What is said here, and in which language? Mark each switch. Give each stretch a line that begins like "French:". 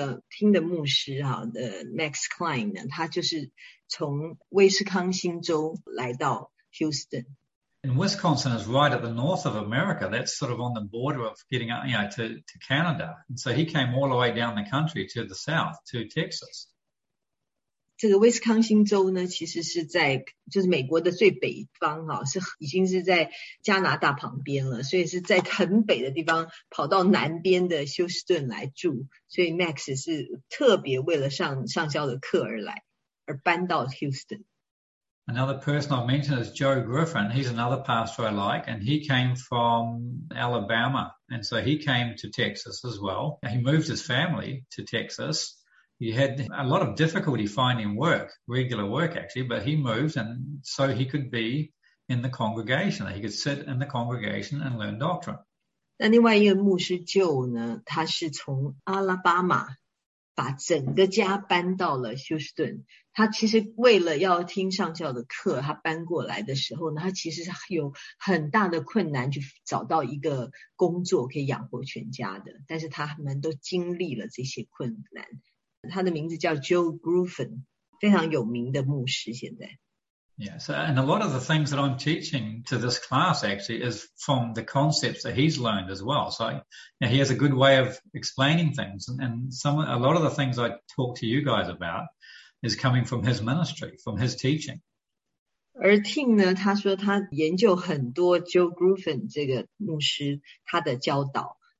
Chinese: 像比如说呢，那个听的牧师啊，Max Klein呢，他就是从威斯康星州来到Houston.
English: And Wisconsin is right at the north of America. That's sort of on the border of getting up, you know, to Canada. And so he came all the way down the country to the south, to Texas.
Chinese: 这个威斯康星州呢，其实是在就是美国的最北方啊，是已经是在加拿大旁边了，所以是在很北的地方跑到南边的休斯顿来住。所以Max是特别为了上校的课而来，而搬到Houston.
English: Another person I'll mention is Joe Griffin. He's another pastor I like, and he came from Alabama, and so he came to Texas as well. He moved his family to Texas. He had a lot of difficulty finding work, regular work actually, but he moved and so he could be in the congregation, he could sit in the congregation and learn doctrine.
Chinese: 那另外一个牧师Joe呢, 他是从阿拉巴马把整个家搬到了休斯顿, 他其实为了要听上校的课, 他搬过来的时候呢, 他其实有很大的困难去找到一个工作可以养活全家的, 但是他们都经历了这些困难。他的名字叫Joe Gruffin, 非常有名的牧师现在。
English: Yeah, so, and a lot of the things that I'm teaching to this class actually is from the concepts that he's learned as well. So now he has a good way of explaining things. And some a lot of the things I talk to you guys about is coming from his ministry, from his teaching.
Chinese: 而Tim呢, 他说他研究很多Joe Gruffin这个牧师, 他的教导。